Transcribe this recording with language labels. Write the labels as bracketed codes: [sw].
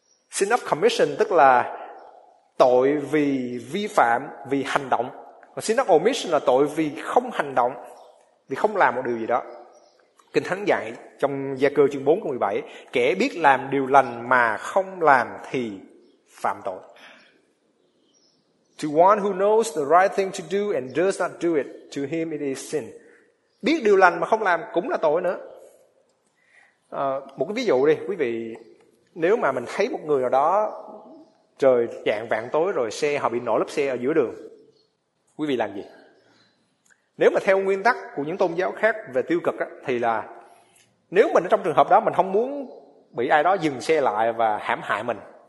[vi] Sin of commission tức là tội vì vi phạm, vì hành động. Còn sin of omission là tội vì không hành động, vì không làm một điều gì đó. Kinh Thánh dạy trong Gia Cơ chương 4 câu 17: kẻ biết làm điều lành mà không làm thì phạm tội. [en] To one who knows the right thing to do and does not do it, to him it is sin. [vi] Biết điều lành mà không làm cũng là tội nữa. Một cái ví dụ đi quý vị. Nếu mà mình thấy một người nào đó trời chạng vạng tối rồi xe họ bị nổ lốp xe ở giữa đường, quý vị làm gì? Nếu mà theo nguyên tắc của những tôn giáo khác về tiêu cực á, thì là nếu mình ở trong trường hợp đó mình không muốn bị ai đó dừng xe lại và hãm hại mình.